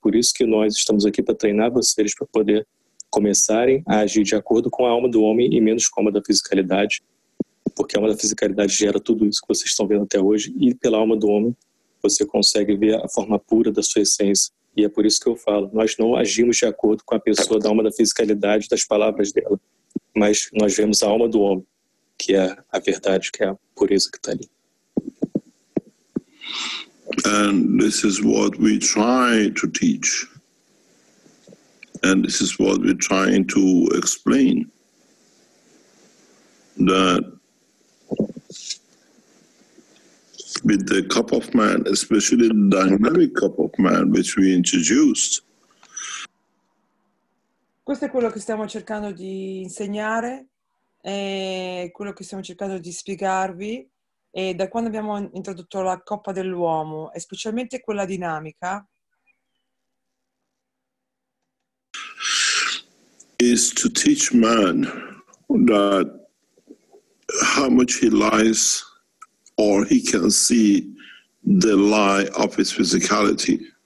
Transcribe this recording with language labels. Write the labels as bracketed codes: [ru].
[pt] É por isso que nós estamos aqui para treinar vocês para poder começarem a agir de acordo com a alma do homem e menos com a alma da fisicalidade, porque a alma da fisicalidade gera tudo isso que vocês estão vendo até hoje, e pela alma do homem você consegue ver a forma pura da sua essência. E é por isso que eu falo, nós não agimos de acordo com a pessoa da alma da fisicalidade, das palavras dela, mas nós vemos a alma do homem, que é a verdade, que é a pureza que está ali. [en] And this is what we try to teach. And this is what we're trying to explain. That with the cup of man, especially the dynamic cup of man, which we introduced. [it] Questo è quello che stiamo cercando di insegnare, è quello che stiamo cercando di spiegarvi. E da quando abbiamo introdotto la coppa dell'uomo, e specialmente quella dinamica, [en] is to teach man that how much he lies or he can see the lie of his physicality.